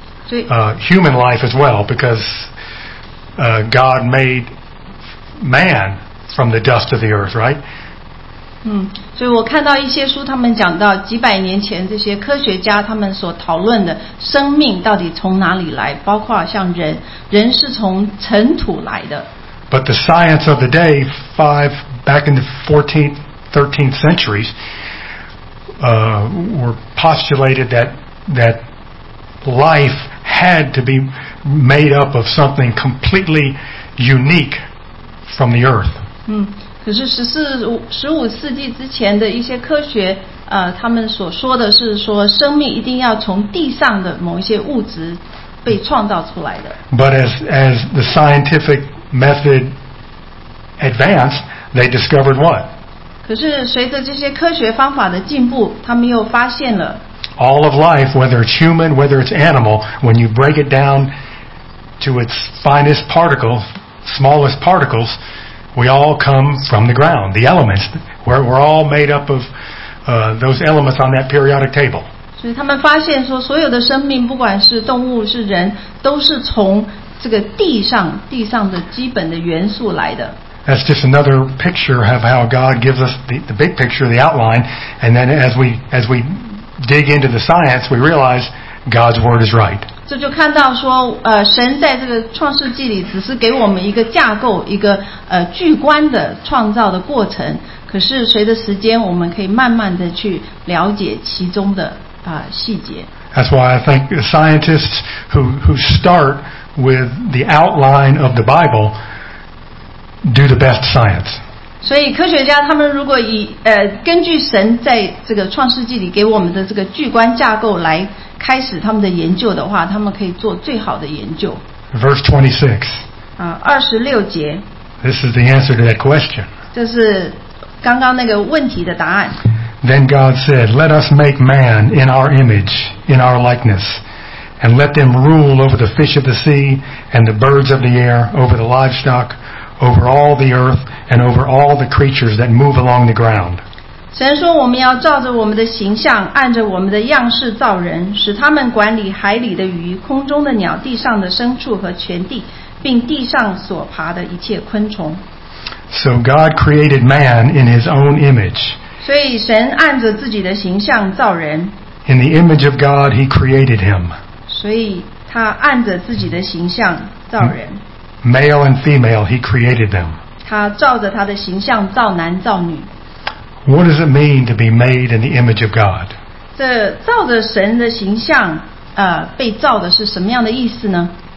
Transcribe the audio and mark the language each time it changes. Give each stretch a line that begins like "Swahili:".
English: Human life as well, because God made man from the dust of the earth, right?
Chinese: 所以我看到一些书，他们讲到几百年前这些科学家他们所讨论的生命到底从哪里来，包括像人，人是从尘土来的。
English: But the science of the day, back in the 14th, 13th centuries, were postulated that life had to be made up of something completely unique from the earth.
Chinese: 可是15世纪之前的一些科学他们所说的是说生命一定要从地上的某一些物质被创造出来的。
English: But as the scientific method advanced, they discovered what?
Chinese: 可是随着这些科学方法的进步，他们又发现了。
English: All of life, whether it's human, whether it's animal, when you break it down to its finest particles, smallest particles, we all come from the ground, the elements. We're all made up of those elements on that periodic table.
Chinese: 所以他们发现说，所有的生命，不管是动物是人，都是从这个地上的基本的元素来的。
English: That's just another picture of how God gives us the big picture, the outline, and then as we dig into the science, we realize God's word is right.
Chinese: 这就看到说，神在这个创世纪里只是给我们一个架构，一个巨观的创造的过程。可是随着时间，我们可以慢慢的去了解其中的。
English: That's why I think the scientists who start with the outline of the Bible do the best science.
Chinese: 所以科学家他们如果以根据神在这个创世纪里给我们的这个巨观架构来开始他们的研究的话，他们可以做最好的研究。
English: Verse 26.
Chinese: 二十六节。
English: This is the answer to that question.
Chinese: 这是刚刚那个问题的答案。
English: Then God said, Let us make man in our image, in our likeness, and let them rule over the fish of the sea, and the birds of the air, over the livestock, over all the earth, and over all the creatures that move along the ground.
Chinese: 神说我们要照着我们的形象，按着我们的样式造人，使他们管理海里的鱼，空中的鸟，地上的牲畜和全地，并地上所爬的一切昆虫。
English: So God created man in his own image.
Chinese: 所以神按着自己的形象造人。
English: In the image of God, He created him.
Chinese: 所以他按着自己的形象造人。
English: Male and female, He created them.
Chinese: 他照着他的形象造男造女。
English: What does it mean to be made in the image of God?
Chinese: 这照着神的形象，被造的是什么样的意思呢？